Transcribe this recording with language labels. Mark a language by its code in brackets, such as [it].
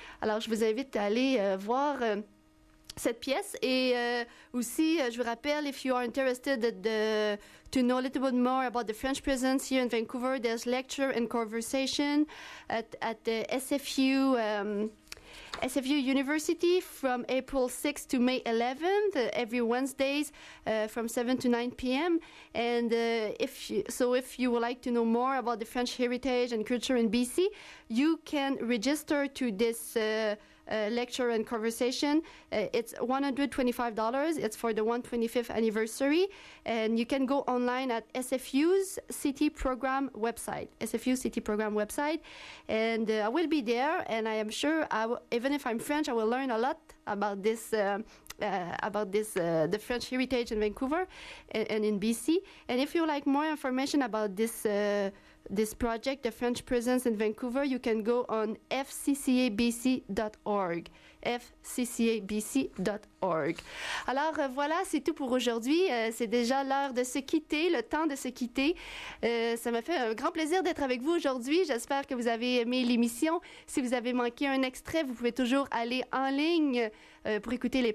[fr] Alors, je vous invite à aller voir cette pièce. Et aussi, je vous rappelle, [en] if you are interested to know a little bit more about the French presence here in Vancouver, there's lecture and conversation at the SFU... SFU University from April 6th to May 11th, every Wednesdays from 7 to 9 p.m. And if you would like to know more about the French heritage and culture in BC, you can register to this lecture and conversation. It's $125. It's for the 125th anniversary. And you can go online at SFU's City Program website, SFU City Program website. And I will be there. And I am sure, even if I'm French, I will learn a lot about this, the French heritage in Vancouver and in BC. And if you like more information about this this project, The French Presence in Vancouver, you can go on fccabc.org. [fr] fccabc.org. Alors voilà, c'est tout pour aujourd'hui. C'est déjà l'heure de se quitter, le temps de se quitter. Ça m'a fait un grand plaisir d'être avec vous aujourd'hui. J'espère que vous avez aimé l'émission. Si vous avez manqué un extrait, vous pouvez toujours aller en ligne pour écouter les